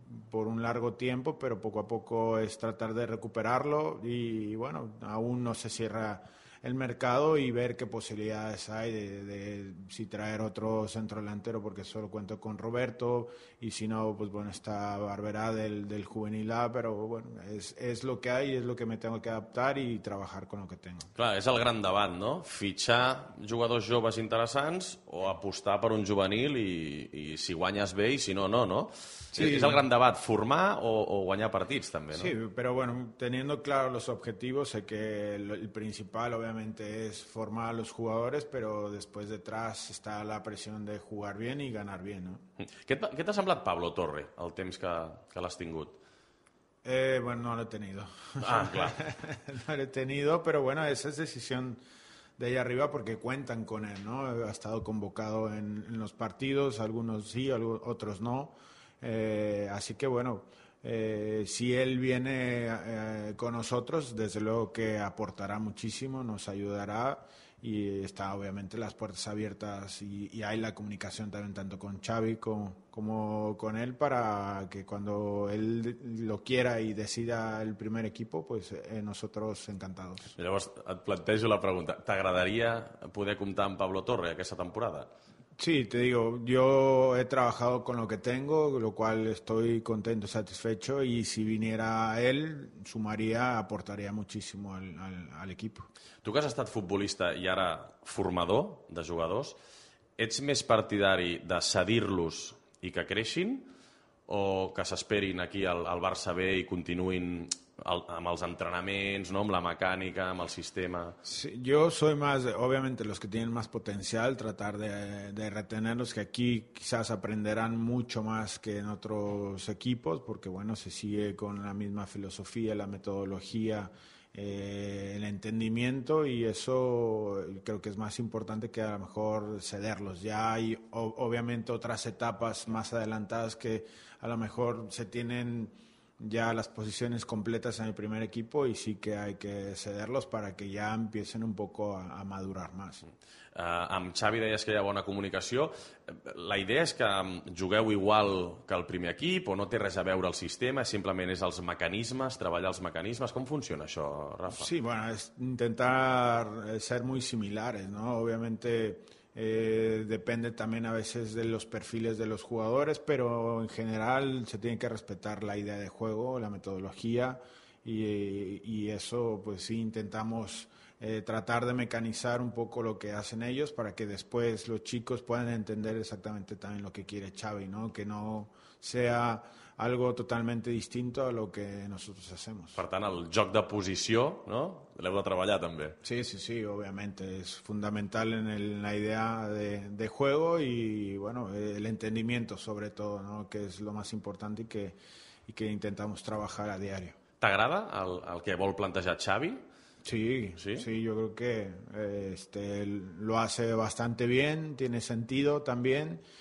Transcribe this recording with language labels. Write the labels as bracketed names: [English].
[Spanish] por un largo tiempo, pero poco a poco es tratar de recuperarlo y bueno, aún no se cierra el mercado y ver qué posibilidades hay de si traer otro centro delantero, porque solo cuento con Roberto, y si no, pues bueno, está Barberá del Juvenil A, pero bueno, es lo que hay, es lo que me tengo que adaptar y trabajar con lo que tengo. [Catalan] Clar, és el gran debat, no? Fitxar jugadors joves interessants o apostar per un juvenil i si guanyes bé i si no, no, no? Sí. És el gran debat, formar o guanyar partits, també, no? [Spanish] Sí, pero bueno, teniendo claro los objetivos, sé que el principal obviamente es formar a los jugadores, pero después detrás está la presión de jugar bien y ganar bien, ¿no? [Catalan] ¿Qué te ha semblat Pablo Torre el temps que l'has tingut? [Spanish] Bueno, no lo he tenido. Ah, claro. No lo he tenido, pero bueno, esa es decisión de ahí arriba porque cuentan con él, ¿no? Ha estado convocado en los partidos, algunos sí, otros no. Así que bueno... si él viene con nosotros, desde luego que aportará muchísimo, nos ayudará y está obviamente las puertas abiertas y hay la comunicación también tanto con Xavi como con él para que cuando él lo quiera y decida el primer equipo, pues nosotros encantados. [Catalan] Llavors et plantejo la pregunta, ¿t'agradaria poder comptar amb Pablo Torre aquesta temporada? [Spanish] Sí, te digo, yo he trabajado con lo que tengo, lo cual estoy contento, satisfecho, y si viniera él, sumaría, aportaría muchísimo al equipo. [Catalan] Tu que has estat futbolista i ara formador de jugadors, ets més partidari de cedir-los i que creixin o que s'esperin aquí al Barça B i continuïn amb els entrenaments, no, amb la mecànica, amb el sistema? [Spanish] Sí, yo soy más, obviamente, los que tienen más potencial, tratar de retenerlos, que aquí quizás aprenderán mucho más que en otros equipos, porque bueno, se sigue con la misma filosofía, la metodología, el entendimiento, y eso creo que es más importante que a lo mejor cederlos. Ya hay obviamente otras etapas más adelantadas que a lo mejor se tienen ya las posiciones completas en el primer equipo y sí que hay que cederlos para que ya empiecen un poco a madurar más. [Catalan] Amb Xavi deies que hi ha bona comunicació. La idea és que jugueu igual que el primer equip o no té res a veure el sistema, simplement és els mecanismes, treballar els mecanismes. Com funciona això, Rafa? [Spanish] Sí, bueno, es intentar ser muy similares, ¿no? Obviamente... depende también a veces de los perfiles de los jugadores, pero en general se tiene que respetar la idea de juego, la metodología y eso pues sí intentamos tratar de mecanizar un poco lo que hacen ellos para que después los chicos puedan entender exactamente también lo que quiere Xavi, ¿no? Que no sea algo totalmente distinto a lo que nosotros hacemos. [Catalan] Per tant, el joc de posició, no? L'heu de treballar també. [Spanish] Sí, sí, sí, obviamente. Es fundamental en la idea de juego y, bueno, el entendimiento sobre todo, ¿no? Que es lo más importante y que intentamos trabajar a diario. [Catalan] T'agrada el que vol plantejar Xavi? [Spanish] Sí, yo creo que lo hace bastante bien, tiene sentido también.